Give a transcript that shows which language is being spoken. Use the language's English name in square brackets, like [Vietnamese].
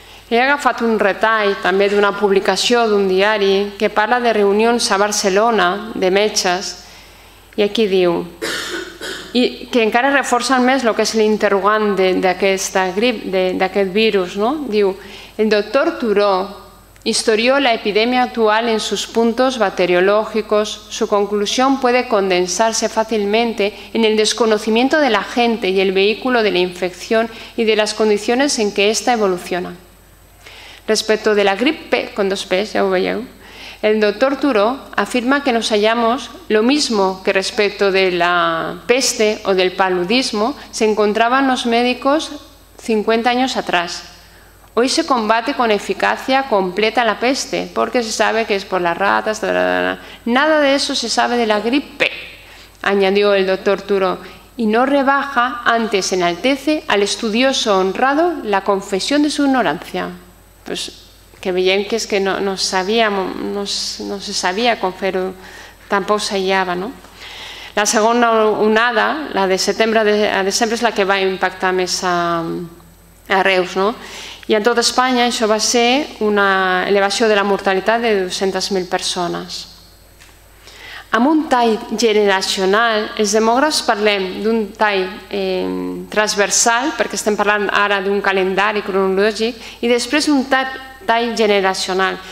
[Catalan] He agafat un retall també d'una publicació d'un diari que parla de reunions a Barcelona de metges, i aquí diu, i que encara reforcen més el que és l'interrogant d'aquesta grip, d'aquest virus, no? Diu, [Spanish] el doctor Turó historió la epidemia actual en sus puntos bacteriológicos. Su conclusión puede condensarse fácilmente en el desconocimiento de la gente y el vehículo de la infección y de las condiciones en que ésta evoluciona. Respecto de la gripe, con dos P's, ya lo veis, el doctor Turó afirma que nos hallamos lo mismo que respecto de la peste o del paludismo se encontraban los médicos 50 años atrás. Hoy se combate con eficacia completa la peste, porque se sabe que es por las ratas, da, da, da. Nada de eso se sabe de la gripe, añadió el doctor Turó, y no rebaja, antes enaltece al estudioso honrado la confesión de su ignorancia. Pues que bien que es que no se sabía con fer [Catalan] tampoc s'aïllava, no? La segona onada, la de setembre a desembre, és la que va impactar més a Reus, no? I en tot Espanya això va ser una elevació de la mortalitat de 200.000 persones. Amb un tall generacional, els demògrafs parlem d'un tall transversal, perquè estem parlant ara d'un calendari cronològic, i després un tall generacional.